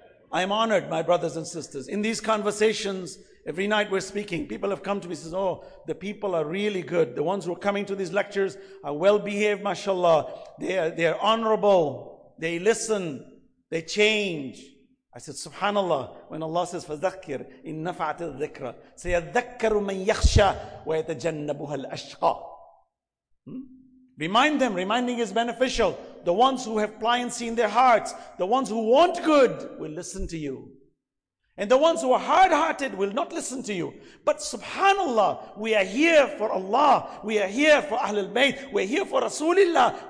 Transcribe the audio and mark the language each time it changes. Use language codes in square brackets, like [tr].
[en] I am honored, my brothers and sisters. In these conversations, every night we're speaking, people have come to me and says, oh, the people are really good. The ones who are coming to these lectures are well-behaved, mashallah. They are honorable. They listen. They change. I said, subhanAllah, when Allah says, [ar] فَذَكِّرْ إِن نَفَعَتِ الذِّكْرَ سَيَذَكَّرُ مَنْ يَخْشَى وَيَتَجَنَّبُهَا الْأَشْقَى. [en] Remind them, reminding is beneficial. The ones who have pliancy in their hearts, the ones who want good, will listen to you. And the ones who are hard-hearted will not listen to you. But subhanAllah, we are here for Allah. We are here for Ahlul Bayt. We're here for Rasulullah.